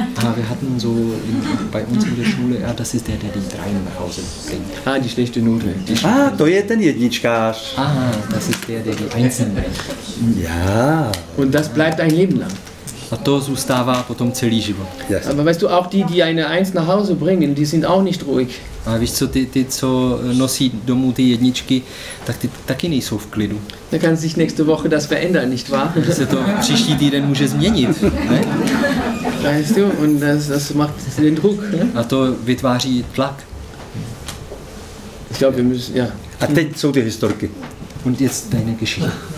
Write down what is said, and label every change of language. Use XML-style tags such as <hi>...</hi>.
<de>A wir hatten so bei uns in der Schule, ja, das ist der die drei nach Hause bringt. Ah, die schlechte Note.</de> <cs>Ah, to je ten jedničkář.</cs> <de>Ah, das ist der die einzeln bringt. Ja. Und das bleibt ein Leben lang.</de> <cs>A to zůstává potom celý život.</cs> <en>Yes.</en> <de>Aber weißt du, auch die, die eine Eins nach Hause bringen, die sind auch nicht ruhig.</de> <cs>A víš co, ty, co nosí domů ty jedničky, tak ty taky nejsou v klidu.</cs> <de>Da kann sich nächste Woche das verändern, nicht wahr?</de> <cs>Že se to příští týden může změnit, ne?</cs> <de>Weißt du, und das macht den Druck.</de> <cs>A to vytváří tlak.</cs> <de>Ich glaube, wir müssen, ja.</de> <cs>A teď jsou ty historky.</cs> <de>Und jetzt deine Geschichte.</de>